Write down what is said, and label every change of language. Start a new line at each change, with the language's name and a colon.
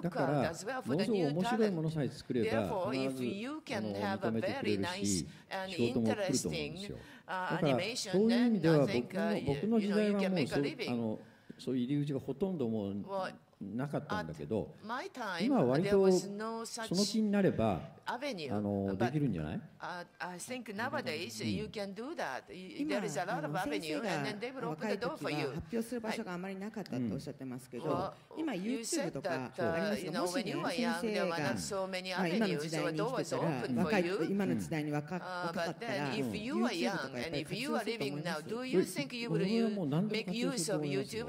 Japanese: だから、ものすごく面白いものさえ作れば、必ず認めてくれるし、仕事も来ると思うんですよ。だから、そういう意味では僕の時代はもうそういう入り口がほとんどもうなかったんだけど、今は割とその気になれば、できるんじゃない？
English: I think nowadays you can do that. There is a lot of avenue, and then they will open the door for you.
Japanese: 発表する場所があまりなかったとおっしゃってますけど、今 YouTube とかありますよ。もし先生が今の時代に生きてたら、今の時代に若かったら、YouTube とかやっぱり活用すると思います。もう何でも活用すると思いますよ。